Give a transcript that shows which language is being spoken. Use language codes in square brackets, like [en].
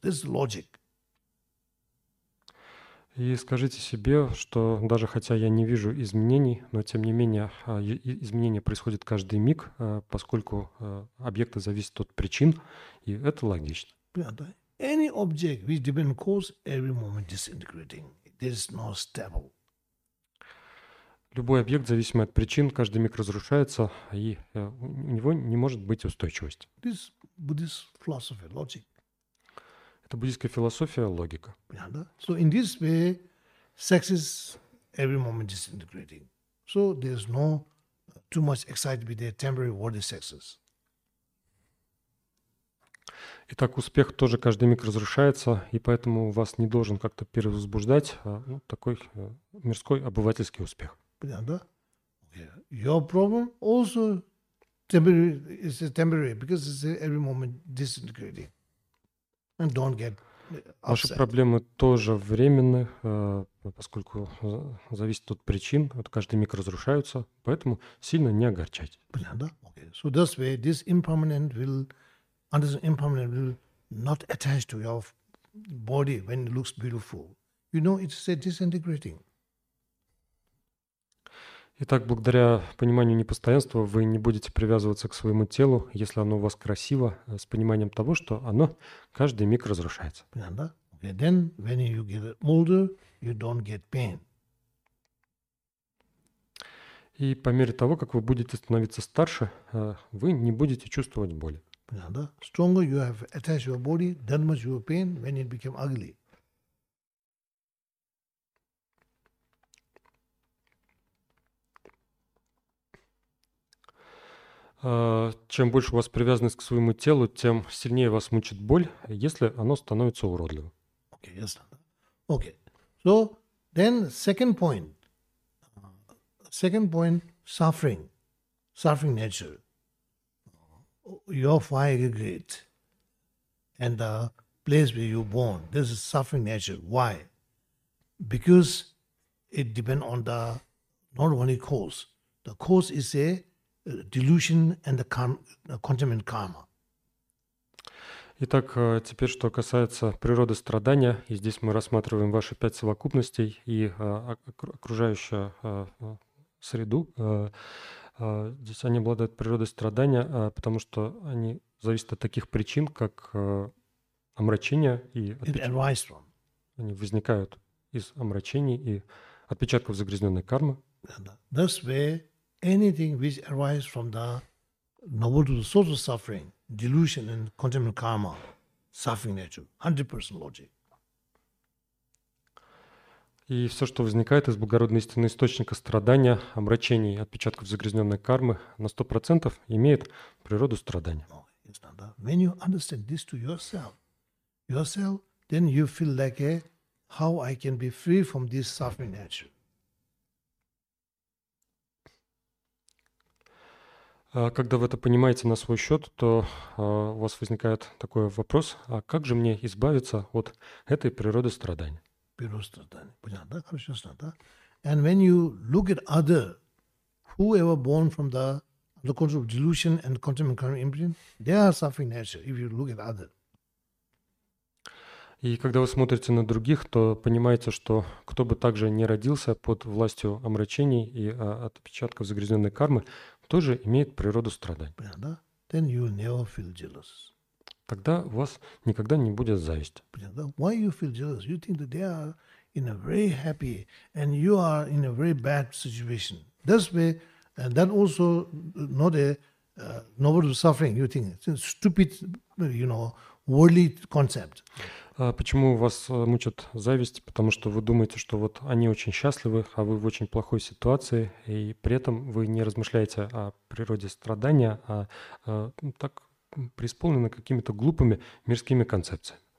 [en] This is logic. [ru] И скажите себе, что даже хотя я не вижу изменений, но тем не менее изменения происходят каждый миг, поскольку объекты зависят от причин, и это логично. [en] Any object which depends on cause, every moment disintegrating. There is no stable. [ru] Любой объект, зависимый от причин, каждый миг разрушается, и у него не может быть устойчивость. [en] This Buddhist philosophy, logic. [ru] Это буддийская философия, логика. [en] So in this way, sex is every moment disintegrating. So there is no too much excitement with the temporary worldly sexes. [ru] Итак, успех тоже каждый миг разрушается, и поэтому вас не должен как-то перевозбуждать ну, такой мирской обывательский успех. Понятно, да? [en] Okay. Your problem also temporary, because it's every moment disintegrating. And don't get upset. [ru] Ваши проблемы тоже временны, поскольку зависит от причин, вот каждый миг разрушаются, поэтому сильно не огорчайтесь. Понятно, да? [en] Okay. So this way, this impermanent will and this impermanent will not attach to your body when it looks beautiful. You know, it's a disintegrating. [ru] Итак, благодаря пониманию непостоянства вы не будете привязываться к своему телу, если оно у вас красиво, с пониманием того, что оно каждый миг разрушается. Понятно, да? [en] Okay. Then, when you get older, you don't get pain. [ru] И по мере того, как вы будете становиться старше, вы не будете чувствовать боли. Понятно, да? [en] Stronger you have attached your body, that much your pain when it became ugly. [ru] Чем больше у вас привязанность к своему телу, тем сильнее вас мучит боль, если оно становится уродливым. [en] Okay, yes. Okay. So then second point, suffering nature. Your five aggregates and the place where you're born, this is suffering nature. Why? Because it depends on the not only cause. The cause is a delusion and the contaminant karma. [ru] Итак, теперь, что касается природы страдания, и здесь мы рассматриваем ваши пять совокупностей и окружающую среду. Здесь они обладают природой страдания, потому что они зависят от таких причин, как омрачение и отпечатки. Они возникают из омрачений и отпечатков загрязненной кармы. [en] Thus way, anything which arises from the noble source of suffering, delusion and contaminant karma, suffering nature, 100% logic. [ru] И все, что возникает из благородной истины источника страдания, омрачений, отпечатков загрязненной кармы, на 100% имеет природу страдания. [en] When you understand this to yourself, then you feel like, how I can be free from this suffering nature. [ru] Когда вы это понимаете на свой счет, то у вас возникает такой вопрос, а как же мне избавиться от этой природы страдания? Природа страдания. Понятно, да? Хорошо, ясно, да? [en] And when you look at other, whoever born from the control of delusion and contaminant karma imprint, they are suffering nature, if you look at other. [ru] И когда вы смотрите на других, то понимаете, что кто бы также не родился под властью омрачений и отпечатков загрязненной кармы, тоже имеет природу страдания. Понятно, да? [en] Then you never feel jealous. [ru] Тогда у вас никогда не будет зависть. Понятно, да? [en] Why you feel jealous? You think that they are in a very happy and you are in a very bad situation. That's why, and that also not a noble suffering, you think. It's a stupid, you know, worldly concept. [ru] Почему вас мучат зависть? Потому что вы думаете, что вот они очень счастливы, а вы в очень плохой ситуации, и при этом вы не размышляете о природе страдания, а так преисполнены какими-то глупыми мирскими концепциями.